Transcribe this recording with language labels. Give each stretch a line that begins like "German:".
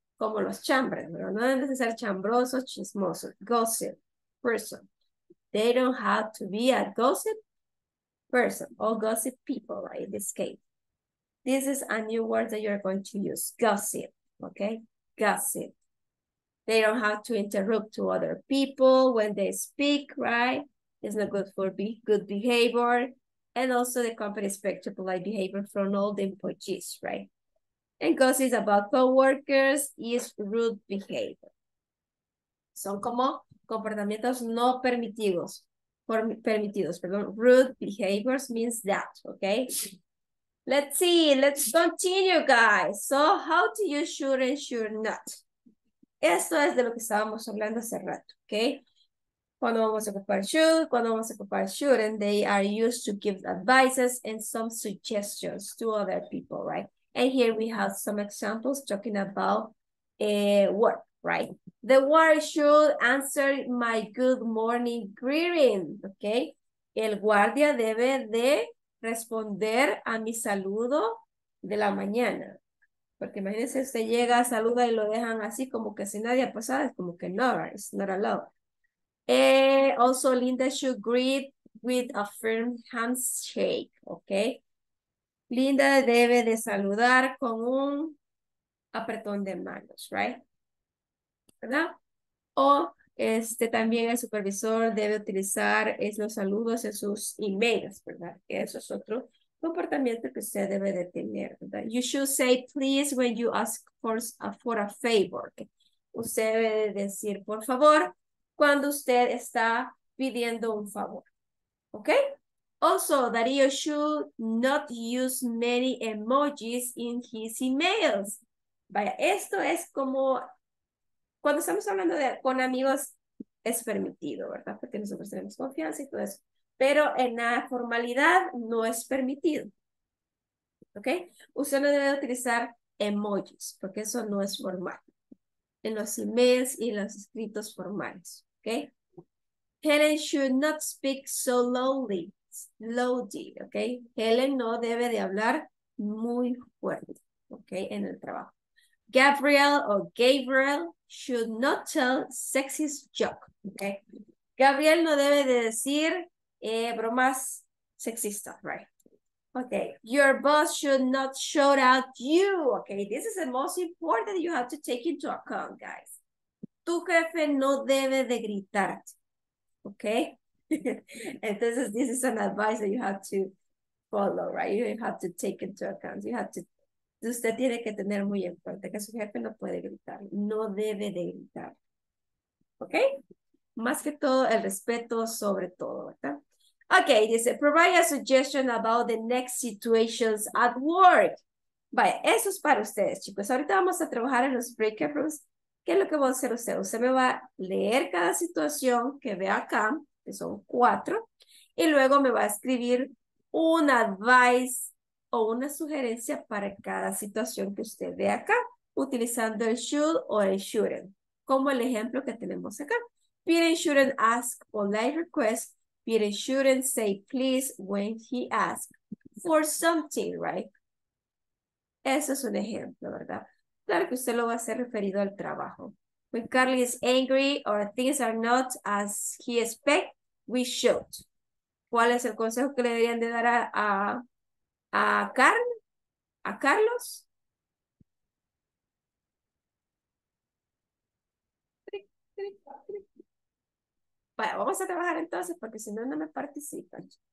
Spanish: Como los chambres, pero no deben de ser chambrosos, chismosos.
English: Gossip person. They don't have to be a gossip person or gossip people, right? In this case. This is a new word that you're going to use. Gossip, okay? Gossip. They don't have to interrupt to other people when they speak, right? It's not good for good behavior. And also the company expects polite behavior from all the employees, right? And gossip is about co-workers, is rude behavior.
Spanish: Son como comportamientos no permitidos. Permitidos, perdón.
English: Rude behaviors means that, okay? Let's see, let's continue, guys. So how do you should and should not?
Spanish: Esto es de lo que estábamos hablando hace rato, okay? Cuando vamos a ocupar should, cuando vamos a ocupar shouldn't,
English: they are used to give advices and some suggestions to other people, right? And here we have some examples talking about work, right? The guard should answer my good morning greeting, okay?
Spanish: El guardia debe de responder a mi saludo de la mañana. Porque imagínense, usted llega, saluda y lo dejan así como que si nadie ha pasado, es como que no, right?
English: It's not allowed. Also, Linda should greet with a firm handshake, okay?
Spanish: Linda debe de saludar con un apretón de manos, right? ¿Verdad? O también el supervisor debe utilizar los saludos en sus emails, ¿verdad? Eso es otro comportamiento que usted debe de tener, ¿verdad?
English: You should say please when you ask for a favor. ¿Okay?
Spanish: Usted debe de decir por favor cuando usted está pidiendo un favor, ¿ok?
English: Also, Darío should not use many emojis in his emails.
Spanish: Vaya, esto es como cuando estamos hablando de con amigos es permitido, ¿verdad? Porque nosotros tenemos confianza y todo eso. Pero en la formalidad no es permitido, ¿ok? Usted no debe utilizar emojis porque eso no es formal en los emails y en los escritos formales.
English: Okay, Helen should not speak so slowly, okay?
Spanish: Helen no debe de hablar muy fuerte, okay, en el trabajo.
English: Gabriel or Gabriel should not tell sexist joke, okay?
Spanish: Gabriel no debe de decir bromas sexistas, right?
English: Okay, your boss should not shout out you, okay? This is the most important you have to take into account, guys.
Spanish: Tu jefe no debe de gritarte, okay?
English: Entonces, this is an advice that you have to follow, right? You have to take into account. You have to,
Spanish: usted tiene que tener muy en cuenta que su jefe no puede gritar, no debe de gritar, okay? Más que todo, el respeto sobre todo, ¿verdad?
English: Okay, dice, provide a suggestion about the next situations at work.
Spanish: Vaya, eso es para ustedes, chicos. Ahorita vamos a trabajar en los breakout rooms. ¿Qué es lo que va a hacer usted? Usted me va a leer cada situación que ve acá, que son cuatro, y luego me va a escribir un advice o una sugerencia para cada situación que usted ve acá, utilizando el should o el shouldn't, como el ejemplo que tenemos acá.
English: Peter shouldn't ask polite requests. Peter shouldn't say please when he asks for something, right?
Spanish: Eso es un ejemplo, ¿verdad? Claro que usted lo va a hacer referido al trabajo.
English: When Carly is angry or things are not as he expects, we should.
Spanish: ¿Cuál es el consejo que le deberían de dar a Carlos? Bueno, vamos a trabajar entonces porque si no, no me participan.